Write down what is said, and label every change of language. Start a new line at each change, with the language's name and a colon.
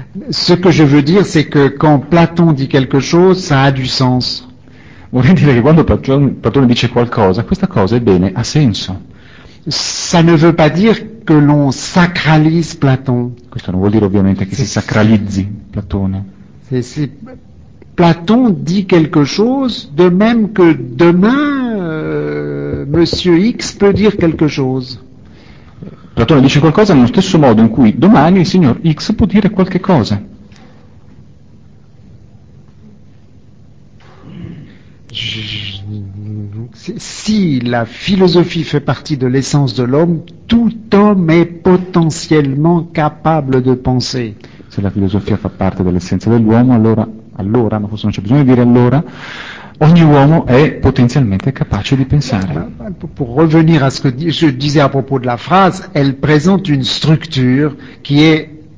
French: Ce que je veux dire, c'est que quand Platon dit quelque chose, ça a du sens.
Italian: Vorrei dire che quando Platone dice qualcosa, questa cosa, ebbene, ha senso.
French: Ça ne veut pas dire que l'on sacralise Platon.
Italian: Questo non vuol dire ovviamente che si sacralizzi Platone.
French: Si Platon dit quelque chose, de même que demain Monsieur X peut dire quelque chose.
Italian: Platone dice qualcosa nello stesso modo in cui domani il signor X può dire qualche cosa.
French: Si la philosophie fait partie de l'essence de l'homme, tout homme est potentiellement capable de penser.
Italian: Se la filosofia fa parte dell'essenza dell'uomo, allora, ma forse non c'è bisogno di dire allora, ogni uomo è potenzialmente capace di pensare.
French: Pour revenir à ce que je disais à propos de la phrase, elle présente une structure qui est